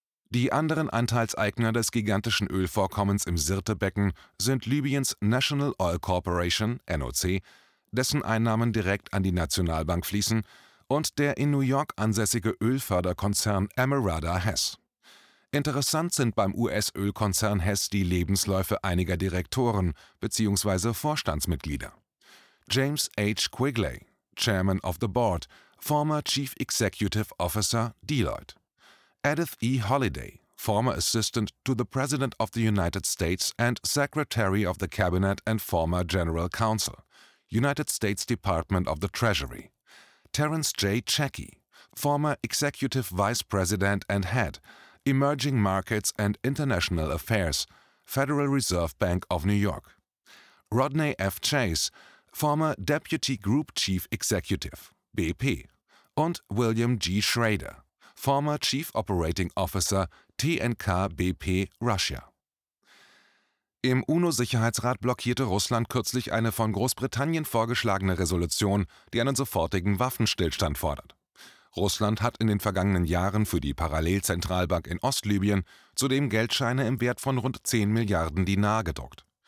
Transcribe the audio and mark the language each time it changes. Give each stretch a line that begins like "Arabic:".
German: Die anderen Anteilseigner des gigantischen Ölvorkommens im Sirte-Becken sind Libyens National Oil Corporation, NOC, dessen Einnahmen direkt an die Nationalbank fließen, und der in New York ansässige Ölförderkonzern Amerada Hess. Interessant sind beim US-Ölkonzern Hess die Lebensläufe einiger Direktoren bzw. Vorstandsmitglieder. James H.
English: Quigley, Chairman of the Board, former Chief Executive Officer, Deloitte. Edith E. Holliday, former Assistant to the President of the United States and Secretary of the Cabinet and former General Counsel, United States Department of the Treasury. Terence J. Checky, former Executive Vice President and Head, Emerging Markets and International Affairs, Federal Reserve Bank of New York. Rodney F. Chase, former Deputy Group Chief Executive, BP. Und William G. Schrader, former Chief Operating Officer, TNK BP Russia.
German: Im UNO-Sicherheitsrat blockierte Russland kürzlich eine von Großbritannien vorgeschlagene Resolution, die einen sofortigen Waffenstillstand fordert. Russland hat in den vergangenen Jahren für die Parallelzentralbank in Ostlibyen zudem Geldscheine im Wert von rund 10 Milliarden Dinar gedruckt.